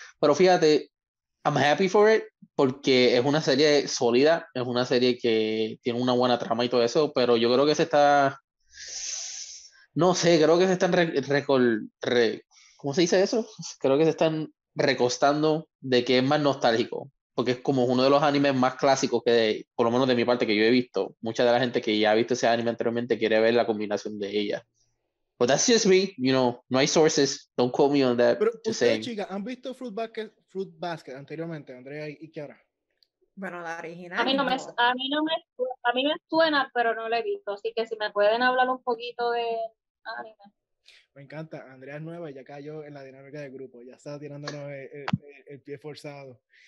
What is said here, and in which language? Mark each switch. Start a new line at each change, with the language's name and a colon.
Spanish: Pero fíjate,
English: I'm happy for it,
Spanish: porque es una serie sólida, es una serie que tiene una buena trama y todo eso, pero yo creo que se están recostando de que es más nostálgico, porque es como uno de los animes más clásicos que, por lo menos de mi parte, que yo he visto. Mucha de la gente que ya ha visto ese anime anteriormente quiere ver la combinación de ellas.
English: But that's just me, you know,
Spanish: no hay
English: sources, don't quote me on that.
Spanish: Pero ustedes, chicas, ¿han visto Fruit Basket anteriormente, Andrea y Kiara? Bueno, la original. A mí me suena, pero no la he visto, así que si me pueden hablar un poquito de anime. Me encanta, Andrea es nueva y ya cayó en la dinámica del grupo, ya está tirándonos el pie forzado.